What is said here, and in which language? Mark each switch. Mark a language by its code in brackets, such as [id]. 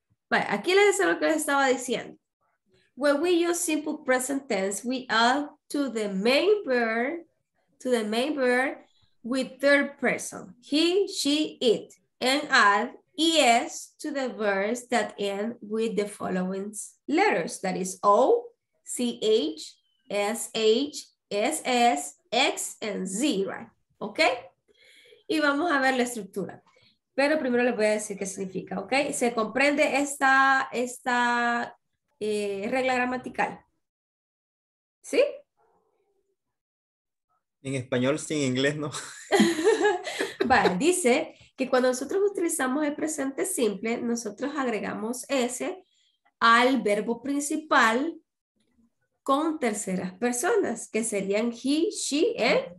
[es] Bueno, aquí les decía lo que les estaba diciendo. [en] When we use simple present tense, we add to the main verb with third person. He, she, it. And add ES to the verbs that end with the following letters. That is O, C, H, S, H, S, S, X, and Z, right? [es] ¿Ok? Y vamos a ver la estructura. Pero primero les voy a decir qué significa, ¿ok? Se comprende esta regla gramatical. ¿Sí? En español, sin inglés, ¿no? Vale, dice que cuando nosotros utilizamos el presente simple, nosotros agregamos S al verbo principal con terceras personas, que serían [en] he, she, and